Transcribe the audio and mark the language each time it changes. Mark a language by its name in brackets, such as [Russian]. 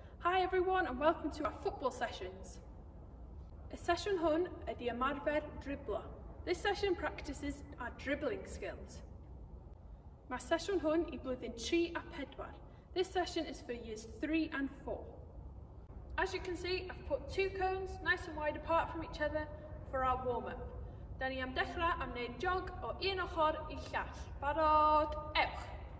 [English] Hi everyone and welcome to our football sessions. [Welsh] Y sesiwn hwn ydy ymarfer driblo. [English] This session practices our dribbling skills. [Welsh] Mae sesiwn hwn I blwyddyn 3 a 4. [English] This session is for years 3 and 4. As you can see, I've put two cones nice and wide apart from each other for our warm-up. [Welsh] Dyna ni am dechrau am wneud jog o un ochr I llall. Barod, ewch!